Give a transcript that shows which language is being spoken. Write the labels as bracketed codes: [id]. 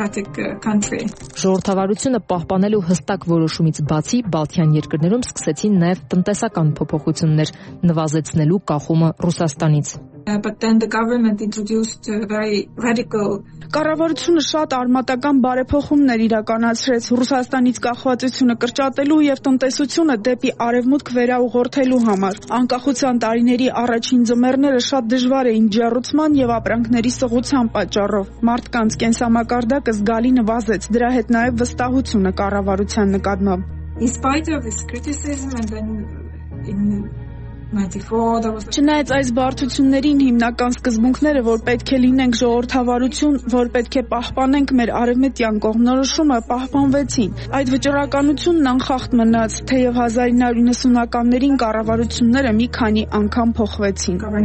[hy] Ժողովրդավարությունը պահպանելու հստակ որոշումից բացի Բալթյան երկրներում սկսեցին նաեւ տնտեսական փոփոխություններ, նվազեցնելու կախումը Ռուսաստանից։ [en] But then the government introduced a very radical [hy] Կառավարությունը շատ արմատական բարեփոխումներ իրականացրեց Ռուսաստանից կախվածությունը կրճատելու եւ տնտեսությունը դեպի արևմուտք վերաուղորթելու համար։ Անկախության տարիների առաջին ձմեռները շատ դժվար էին ջեռուցման եւ ապրանքների սղության պատճառով։ Մարդկանց կենսամակարդակը զգալի նվազեց, դրա հետ նաեւ վստահությունը կառավարության նկատմամբ։ [en] In spite of this criticism and then in 94 [hy] Չնայած այս բարդություններին հիմնական սկզբունքները, որ պետք է լինենք ժողովրդավարություն, որ պետք է պահպանենք մեր արևմտյան կողմնորոշումը, պահպանվեցին։ Այդ վճռականությունն անխախտ մնաց, թեև 1990-ականներին կառավարությունները մի քանի անգամ փոխվեցին։